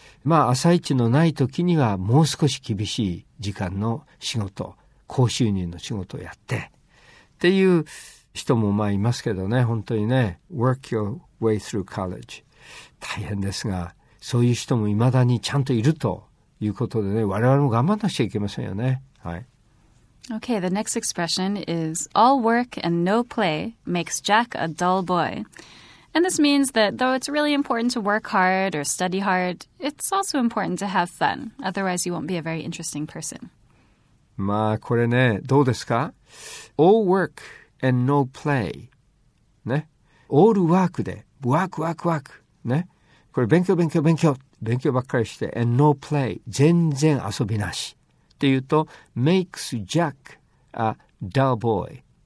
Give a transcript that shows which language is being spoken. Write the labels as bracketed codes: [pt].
[ja] まあ朝一のない時にはもう少し厳しい時間の仕事、高収入の仕事をやってっていう人もまあいますけどね、本当にね、 [en] work your way through college。 [ja] 大変ですが、そういう人も未だにちゃんといるということでね、我々も頑張らなくちゃいけませんよね。はい。 [en] Okay, the next expression is, all work and no play makes Jack a dull boy. And this means that though it's really important to work hard or study hard, it's also important to have fun. Otherwise, you won't be a very interesting person. [ja] まあこれね、どうですか？ [en] All work and no play [ja] ね、 [en] All work [ja] でワークワークワークね、これ勉強勉強勉強勉強ばっかりして [en] and no play [ja] 全然遊びなしっていうと [en] makes Jack a dull boy。